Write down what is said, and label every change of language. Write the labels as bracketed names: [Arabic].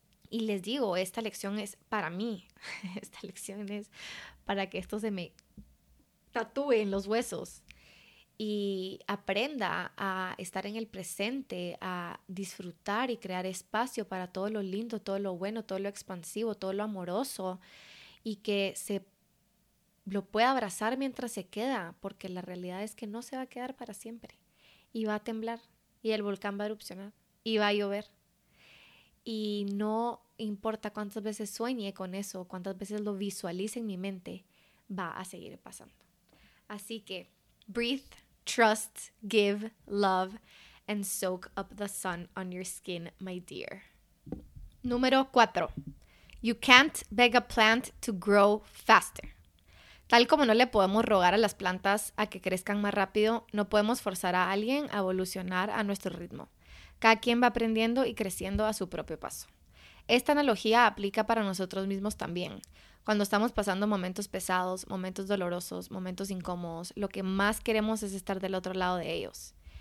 [Spanish] Y les digo, esta lección es para mí, esta lección es para que esto se me tatúe en los huesos y aprenda a estar en el presente, a disfrutar y crear espacio para todo lo lindo, todo lo bueno, todo lo expansivo, todo lo amoroso, y que se lo pueda abrazar mientras se queda, porque la realidad es que no se va a quedar para siempre y va a temblar y el volcán va a erupcionar y va a llover. Y no importa cuántas veces sueñe con eso, cuántas veces lo visualice en mi mente, va a seguir pasando. Así que, [English] breathe, trust, give, love, and soak up the sun on your skin, my dear. [Spanish] Número 4. [English] You can't beg a plant to grow faster. [Spanish] Tal como no le podemos rogar a las plantas a que crezcan más rápido, no podemos forzar a alguien a evolucionar a nuestro ritmo. Cada quien va aprendiendo y creciendo a su propio paso. Esta analogía aplica para nosotros mismos también. Cuando estamos pasando momentos pesados, momentos dolorosos, momentos incómodos, lo que más queremos es estar del otro lado de ellos.